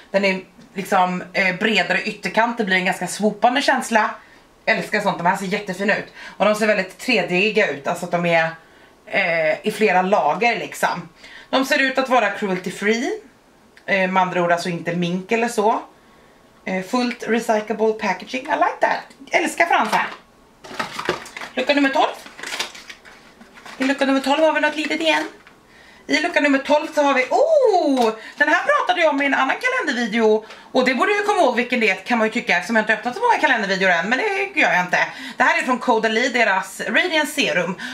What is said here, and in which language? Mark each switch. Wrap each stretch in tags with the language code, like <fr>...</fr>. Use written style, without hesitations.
<sv>Den är liksom bredare ytterkant. Det blir en ganska swoopande känsla. Jag älskar sånt. De här ser jättefina ut. Och de ser väldigt 3D-iga ut. Alltså att de är i flera lager liksom. De ser ut att vara cruelty free. Med andra ord alltså inte mink eller så. Fullt</sv> <en>recyclable packaging. I like that.</en> <sv>Jag älskar fransar. Lucka nummer 12. I lucka nummer 12 har vi något litet igen. I lucka nummer 12 så har vi, oh! Den här pratade jag om i en annan kalendervideo. Och det borde ju komma ihåg vilken det kan man ju tycka. Eftersom jag inte öppnat så många kalendervideor än. Men det gör jag inte. Det här är från Caudalie, deras Radiant Serum.</sv>